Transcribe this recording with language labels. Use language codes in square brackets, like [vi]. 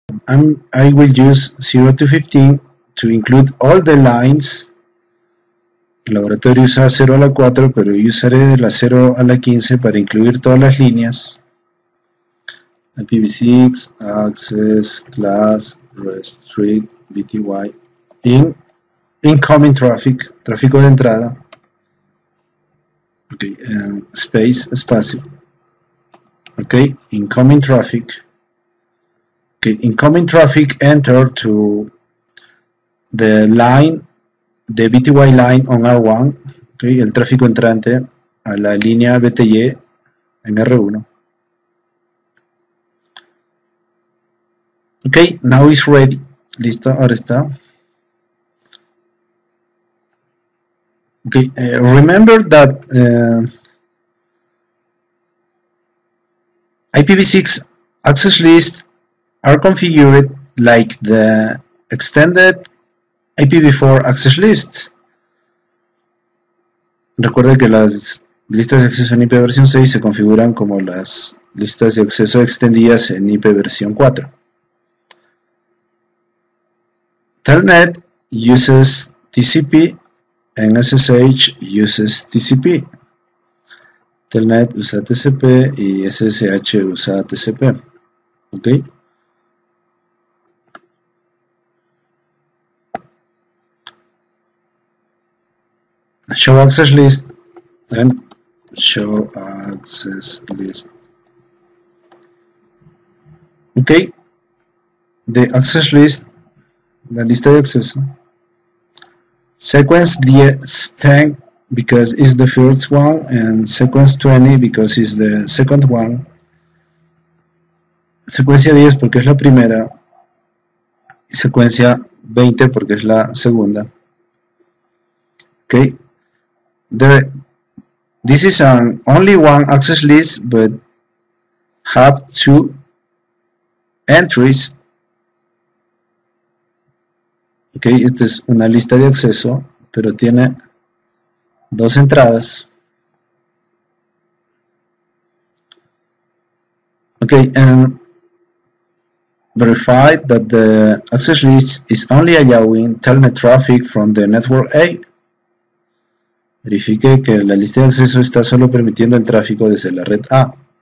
[en] And I will use 0 to 15 to include all the lines. [es] El laboratorio usa 0 a la 4, pero yo usaré de la 0 a la 15 para incluir todas las líneas. [en] IPv6, access, class, restrict, BTY, incoming traffic, [es] tráfico de entrada. [en] Okay, space, espacio. Okay, incoming traffic. Okay, incoming traffic enter to the line, the BTY line on R1. [es] Okay, el tráfico entrante a la línea BTY en R1. [en] Okay, now it's ready. [es] Listo, ahora está. [en] Okay, remember that IPv6 access list are configured like the extended IPv4 access lists. [es] Recuerde que las listas de acceso en IP versión 6 se configuran como las listas de acceso extendidas en IP versión 4. [en] Telnet uses TCP and SSH uses TCP. [es] Telnet usa TCP y SSH usa TCP. Okay. [en] Show access list and show access list. Okay. The access list, [es] la lista de acceso, [en] sequence 10 because it's the first one, and sequence 20 because it's the second one. [es] Secuencia 10 porque es la primera, y secuencia 20 porque es la segunda. [en] Okay, there, this is an only one access list but have two entries. [es] Okay, esta es una lista de acceso, pero tiene dos entradas. [en] Okay, and verify that the access list is only allowing telnet traffic from the network A. [es] Verifique que la lista de acceso está solo permitiendo el tráfico desde la red A.